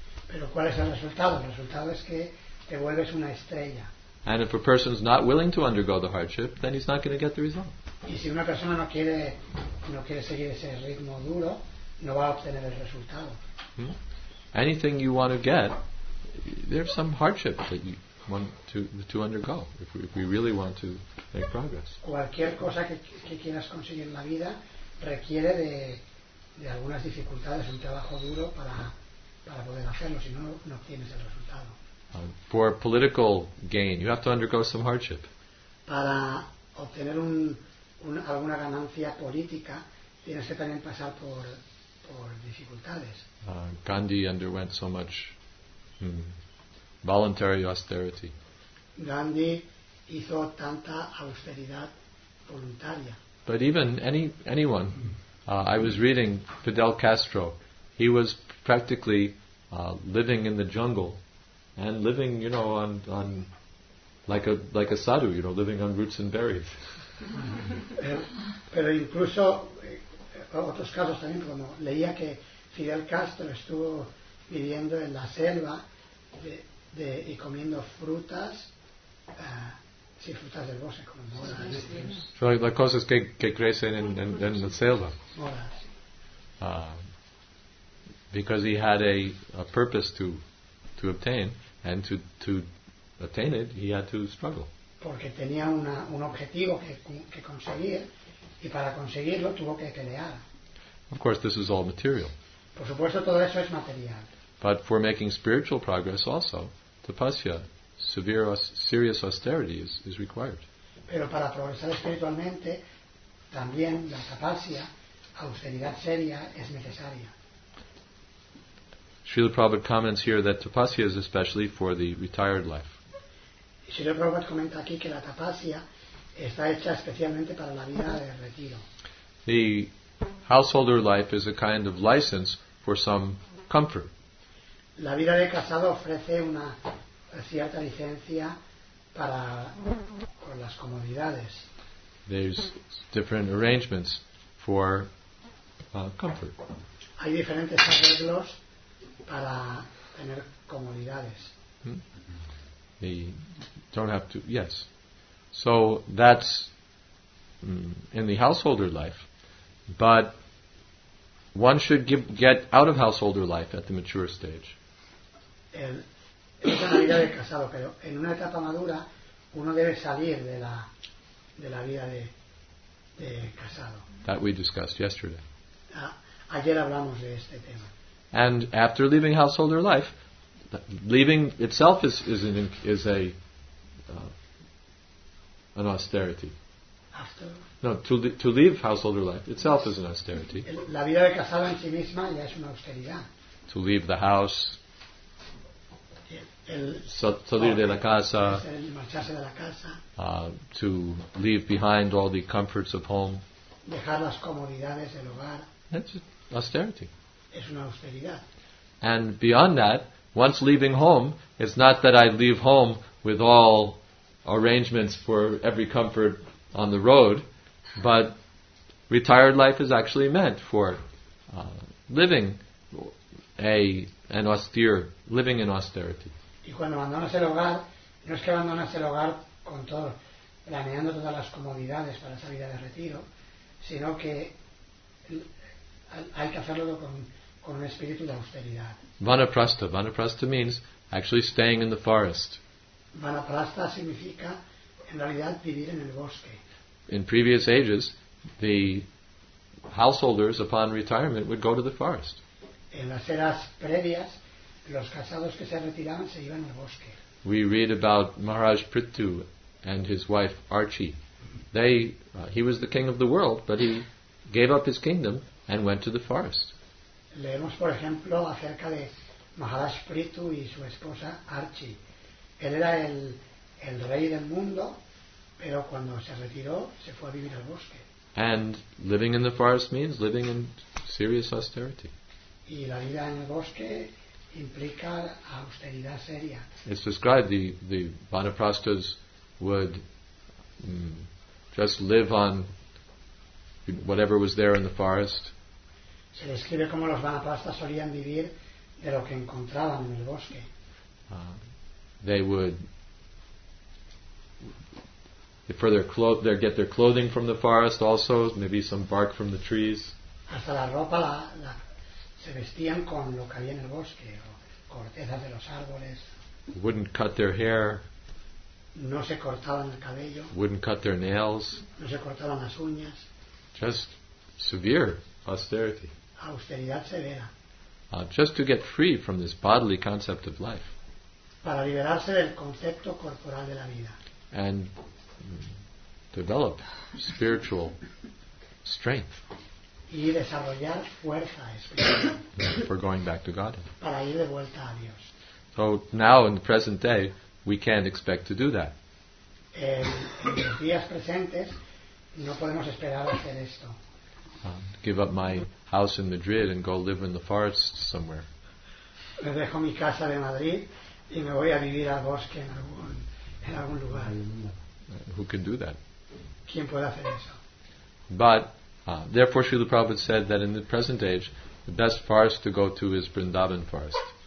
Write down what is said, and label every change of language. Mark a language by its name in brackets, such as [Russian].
[Spanish] Pero ¿cuál es el resultado? El resultado es que te vuelves una estrella. [English] And if a person is not willing to undergo the hardship, then he's not going to get the result. [Spanish] Y si una persona no quiere seguir ese ritmo duro, no va a obtener el resultado. [English] Anything you want to get, there's some hardship that you want to undergo if we really want to make progress. [Spanish] Cualquier cosa que quieras conseguir en la vida requiere de algunas dificultades, un trabajo duro para poder hacerlo, si no, no obtienes el resultado. [English] For political gain, you have to undergo some hardship. [Spanish] Para obtener alguna ganancia política, tienes que también pasar por dificultades. [English] Gandhi underwent so much voluntary austerity. [Spanish] Gandhi hizo tanta austeridad voluntaria. [English] But even anyone, I was reading Fidel Castro. He was practically living in the jungle. And living, you know, on like a sadhu, you know, living on roots and berries. [Spanish] Pero incluso otros casos también, como leía que Fidel Castro estuvo viviendo en la selva y comiendo frutas, sí, frutas del bosque, como moras. [English] So the [Spanish] cosas que crecen en la selva. Moras. [English] Because he had a purpose to obtain. And to attain it, he had to struggle. [Spanish] Porque tenía un objetivo que conseguir, y para conseguirlo tuvo que pelear. [English] Of course, this is all material. [Spanish] Por supuesto, todo eso es material. [English] But for making spiritual progress also, tapasya, serious austerity is required. [Spanish] Pero para progresar espiritualmente, también la tapasya, austeridad seria, es necesaria. [English] Srila Prabhupada comments here that tapasya is especially for the retired life. [Spanish] Srila Prabhupada comenta aquí que la tapasya está hecha especialmente para la vida de retiro. [English] The householder life is a kind of license for some comfort. [Spanish] La vida de casado ofrece una cierta licencia para por las comodidades. [English] There's different arrangements for comfort. [Spanish] Hay diferentes arreglos para tener comodidades. [English] They don't have to. Yes. So that's in the householder life, but one should get out of householder life at the mature stage. [Spanish] Es una vida de casado, pero en una etapa madura uno debe salir de la vida de casado. [English] That we discussed yesterday. [Spanish] Ayer hablamos de este tema. [English] And after leaving householder life, leaving itself is an austerity. To leave householder life itself is an austerity. [Spanish] La vida de casado en sí misma ya es una austeridad. [English] To leave the house. [Spanish] Salir de la casa. Marcharse de la casa. [English] To leave behind all the comforts of home. [Spanish] Dejar las comodidades del hogar. [English] That's austerity. [Spanish] Es una austeridad. [English] And beyond that, once leaving home, it's not that I leave home with all arrangements for every comfort on the road, but retired life is actually meant for living in austerity. [Spanish] Y cuando abandonas el hogar, no es que abandonas el hogar con todo, planeando todas las comodidades para esa vida de retiro, sino que hay que hacerlo con un espíritu de austeridad. [English] Vanaprastha. Vanaprastha means actually staying in the forest. [Spanish] Vanaprastha significa, en realidad, vivir en el bosque. [English] In previous ages, the householders, upon retirement, would go to the forest. [Spanish] En las eras previas, los casados que se retiraban se iban al bosque. [English] We read about Maharaj Prithu and his wife Archie. He was the king of the world, but he gave up his kingdom and went to the forest. [Spanish] Leemos, por ejemplo, acerca de Mahadaspritu y su esposa Archi. Él era el rey del mundo, pero cuando se retiró, se fue a vivir al bosque. [English] And living in the forest means living in serious austerity. [Spanish] Y la vida en el bosque implica austeridad seria. [English] It's described the vanaprastas would just live on whatever was there in the forest. [Spanish] Se describe como los vanaprastas solían vivir de lo que encontraban en el bosque. [English] They would get their clothing from the forest also, maybe some bark from the trees. [Spanish] Hasta la ropa se vestían con lo que había en el bosque, o cortezas de los árboles. [English] Wouldn't cut their hair. [Spanish] No se cortaban el cabello. [English] Wouldn't cut their nails. [Spanish] No se cortaban las uñas. [English] Just severe austerity. [Spanish] Austeridad severa. [English] Just to get free from this bodily concept of life. [Spanish] Para liberarse del concepto corporal de la vida. [English] And develop spiritual strength. [Spanish] Y desarrollar fuerza espiritual. [English] For going back to God. [Spanish] Para ir de vuelta a Dios. [English] So now in the present day, we can't expect to do that. [Spanish] En los días presentes, no podemos esperar hacer esto. [English] Give up my house in Madrid and go live in the forest somewhere. [Spanish] Me dejo mi casa de Madrid y me voy a vivir al bosque en algún lugar. [English] Who can do that? [Spanish] ¿Quién puede hacer eso? [English] But therefore, Srila Prabhupada said that in the present age, the best forest to go to is Vrindavan forest.